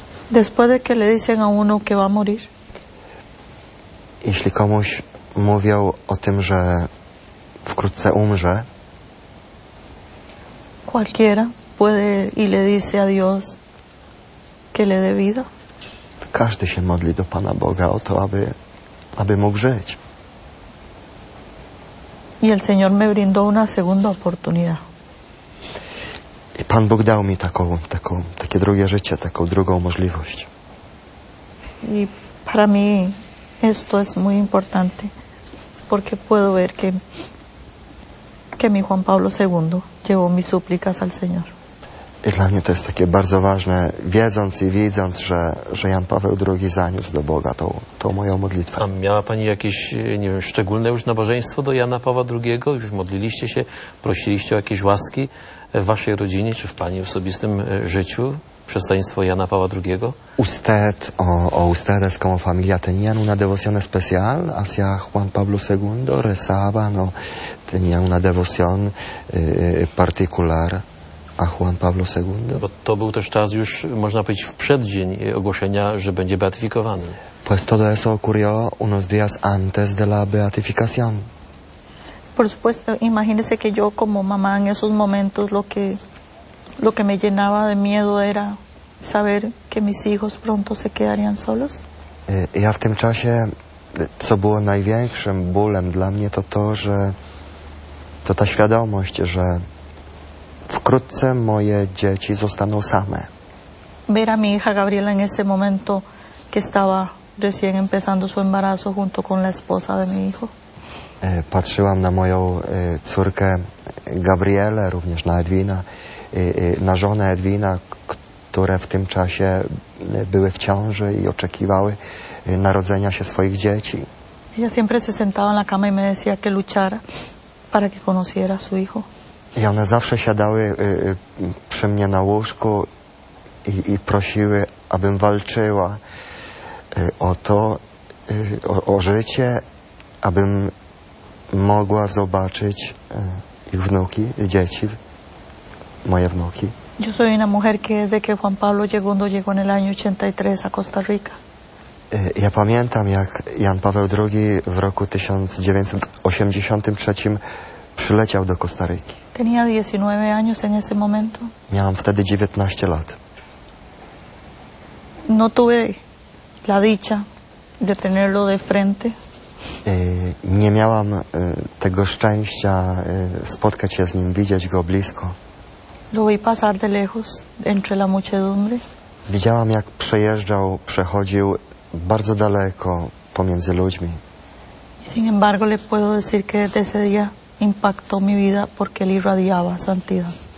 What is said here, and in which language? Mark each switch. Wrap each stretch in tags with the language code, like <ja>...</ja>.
<es>Después de que le dicen a uno que va a morir.</es> <pl>Jeśli komuś mówią o tym, że wkrótce umrze.</pl> <es>Cualquiera puede y le dice a Dios que le dé vida.</es> <pl>Każdy się modli do Pana Boga o to, aby mógł żyć.</pl> <es>Y el Señor me brindó una segunda oportunidad.</es> <pl>I Pan Bóg dał mi takie drugie życie, taką drugą możliwość.</pl> <es>Y para mí esto es muy importante, porque puedo ver que mi Juan Pablo II llevó mis súplicas al Señor.</es> <pl>I dla mnie to jest takie bardzo ważne, wiedząc i widząc, że Jan Paweł II zaniósł do Boga tą moją modlitwę. A miała Pani jakieś, nie wiem, szczególne już nabożeństwo do Jana Pawła II? Już modliliście się, prosiliście o jakieś łaski w Waszej rodzinie czy w Pani osobistym życiu? Przestaństwo Jana Pawła II?</pl> <es>Usted, o ustedes como familia tenían una devoción especial hacia Juan Pablo II? Rezaban, tenían una devoción particular. a Juan Pablo II.</es> <pl>Bo to był też czas już, można powiedzieć, w przeddzień ogłoszenia, że będzie beatyfikowany.</pl> <es>Pues todo eso ocurrió unos días antes de la beatificación. Por supuesto, imagínese que yo como mamá en esos momentos lo que me llenaba de miedo era saber que mis hijos pronto se quedarían solos.</es> <pl>Ja w tym czasie, co było największym bólem dla mnie, to ta świadomość, że wkrótce moje dzieci zostaną same.</pl> <es>Ver a mi hija Gabriela en ese momento que estaba recién empezando su embarazo junto con la esposa de mi hijo.</es> <pl>Patrzyłam na moją córkę Gabrielę, również na Edwina, na żonę Edwina, które w tym czasie były w ciąży i oczekiwały narodzenia się swoich dzieci.</pl> <es>Ja siempre se sentaba en la cama y me decía que luchara para que conociera su hijo.</es> <pl>I one zawsze siadały przy mnie na łóżku i prosiły, abym walczyła o to, o życie, abym mogła zobaczyć ich wnuki, dzieci, moje wnuki.</pl> <es>Yo soy una mujer que desde que Juan Pablo II llegó en el año 83 a Costa Rica.</es> <pl>Ja pamiętam, jak Jan Paweł II w roku 1983 przyleciał do Kostaryki.</pl> <es>Tenía 19 años en ese momento.</es> <pl>Miałam wtedy 19 lat.</pl> <es>No tuve la dicha de tenerlo de frente.</es> <pl>Nie miałam tego szczęścia spotkać się z nim, widzieć go blisko.</pl> <es>Lo vi pasar de lejos, entre la muchedumbre.</es> <pl>Widziałam, jak przechodził bardzo daleko pomiędzy ludźmi.</pl> <es>Y sin embargo, le puedo decir que desde ese día impactó mi vida porque él irradiaba santidad.</es>